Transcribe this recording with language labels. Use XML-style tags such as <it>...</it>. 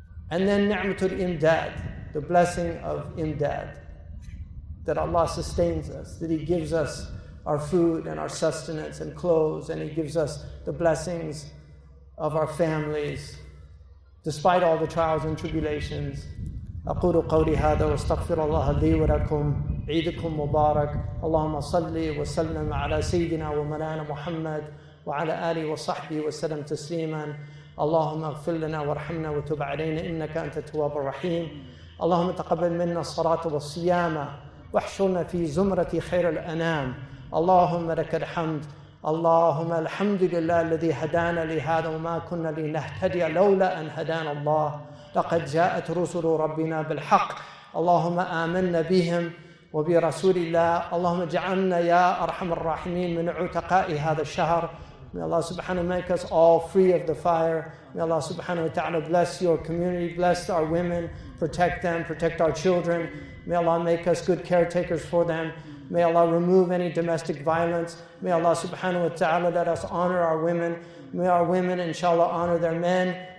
<en>And then ni'matul imdad, the blessing of imdad. That Allah sustains us, that He gives us our food and our sustenance and clothes, and He gives us the blessings of our families despite all the trials and tribulations.</en> <ar>أقول قولي هذا واستغفر الله لي ولكم عيدكم مبارك اللهم صل وسلم على سيدنا ومولانا محمد وعلى آله وصحبه وسلم تسليما اللهم اغفر لنا وارحمنا وتب علينا إنك أنت التواب الرحيم اللهم تقبل منا الصلاة والصيام واحشرنا في زمرة خير الأنام اللهم لك الحمد اللهم الحمد لله الذي هدانا لهذا وما كنا لنهتدي لولا أن هدانا الله لقد جاءت رسل ربنا بالحق اللهم آمنا بهم وبرسول الله اللهم اجعلنا يا أرحم الراحمين من عتقاء هذا الشهر</ar> <en>May Allah subhanahu wa ta'ala make us all free of the fire. May Allah subhanahu wa ta'ala bless your community, bless our women, protect them, protect our children. May Allah make us good caretakers for them. May Allah remove any domestic violence. May Allah subhanahu wa ta'ala let us honor our women. May our women, inshallah, honor their men.</en>